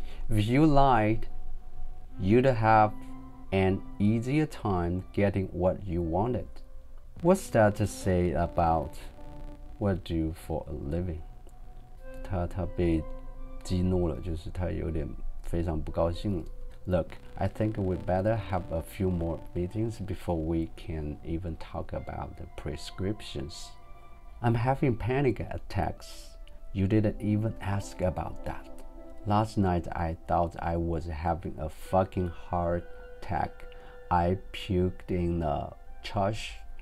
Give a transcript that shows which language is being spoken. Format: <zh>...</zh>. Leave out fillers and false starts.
<en>If you lied, you'd have an easier time getting what you wanted. What's that to say about what do you for a living?</en> <zh>他被激怒了，就是他有点非常不高兴了。</zh> <en>Look, I think we better have a few more meetings before we can even talk about the prescriptions. I'm having panic attacks. You didn't even ask about that. Last night I thought I was having a fucking heart attack. I puked in a church</en>